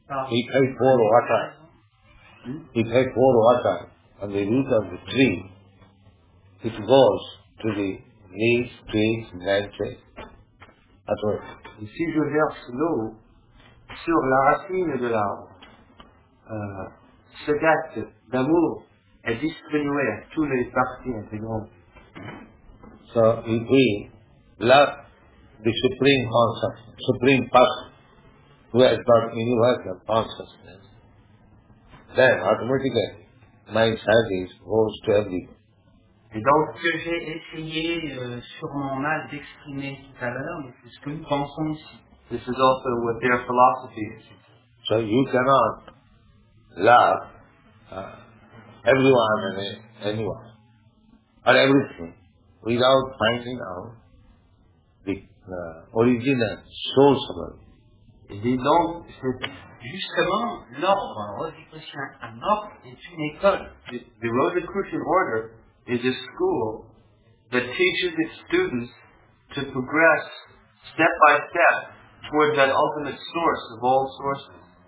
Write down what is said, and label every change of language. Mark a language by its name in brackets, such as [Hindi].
[English] If I pour water on the root of the tree, it goes to the leaves, twigs, branches. That's right. [French] Si je verse l'eau sur la racine de l'arbre, ce acte d'amour est distribué à toutes les parties intégrantes. [English] So if we love the supreme consciousness, supreme person, who has brought me new life, consciousness, then automatically my service goes to everyone. [French] Et donc, ce que j'ai essayé sur mon mal d'exprimer tout à l'heure, mais c'est ce que nous pensons ici. [English] This is also what their philosophy is. So you cannot love everyone and anyone, or everything, without finding out the original source of it. [French] Et donc, c'est justement l'ordre, Rosicrucien, un ordre est une école. [English] The Rosicrucian order is a school that teaches its students to progress step by step toward that ultimate source of all sources.